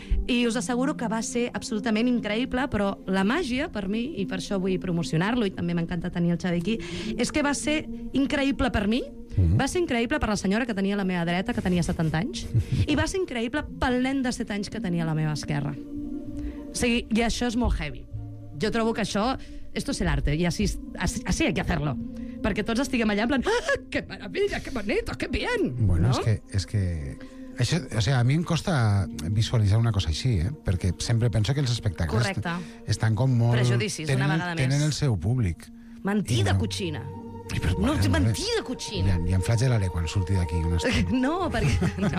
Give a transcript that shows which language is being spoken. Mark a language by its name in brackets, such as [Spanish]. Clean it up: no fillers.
[Catalan] I us asseguro que va ser absolutament increïble, però la màgia, per mi, i per això vull promocionar-lo, i també m'encanta tenir el Xavi aquí, és que va ser increïble per mi. Va ser increïble per la senyora que tenia a la meva dreta, que tenia 70 anys, i va ser increïble pel nen de 7 anys que tenia a la meva esquerra. O sigui, i això és molt heavy. Jo trobo que això... [Spanish] Esto es el arte, y así hay que hacerlo. [Catalan] Perquè tots estiguem allà en plan... [Spanish] ¡Ah, qué maravilla, qué bonito, qué bien! Bueno, ¿no? Es que... [Catalan] Això, [Spanish] o sea, [Catalan] a mi em costa visualitzar una cosa així, eh? Perquè sempre penso que els espectacles... Correcte. Estan com molt... Prejudicis, tenen, una vegada més. Tenen el seu públic. Mentida, cochina. Però, bueno, no, mentida, cochina. I em flagelaré quan surti d'aquí una estona. No, perquè...